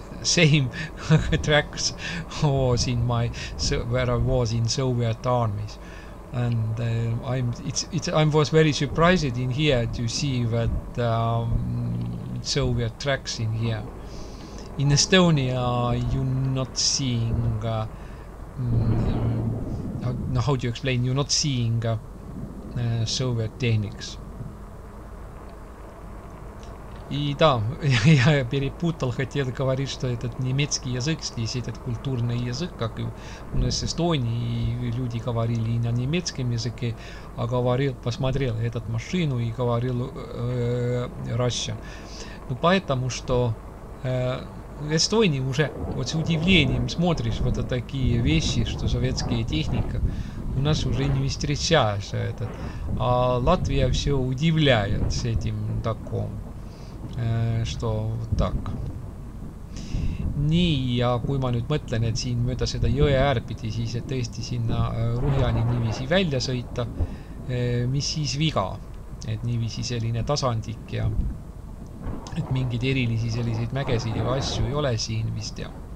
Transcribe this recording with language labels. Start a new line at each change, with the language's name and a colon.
English: same tracks was in my where I was in Soviet armies, and I was very surprised in here to see that Soviet tracks in here. In Estonia you're not seeing how do you explain, you're not seeing Soviet techniques.
Russian: И да, я перепутал, хотел говорить, что этот немецкий язык здесь, этот культурный язык, как и у нас в Эстонии, и люди говорили и на немецком языке, а говорил, посмотрел этот машину и говорил Russian. Ну поэтому, что в Эстонии уже вот с удивлением смотришь вот такие вещи, что советская техника, у нас уже не встречаешь этот. А Латвия все удивляет с этим таком. Что вот так.
Estonian: Nii, ja kui ma nüüd mõtlen, et siin mööda seda jõe äärpidi, siis et tõesti sinna Ruhjani niiviisi välja sõita, mis siis viga, et niiviisi selline tasandik ja et mingid erilisi selliseid mägesid ja asju ei ole siin vist ja.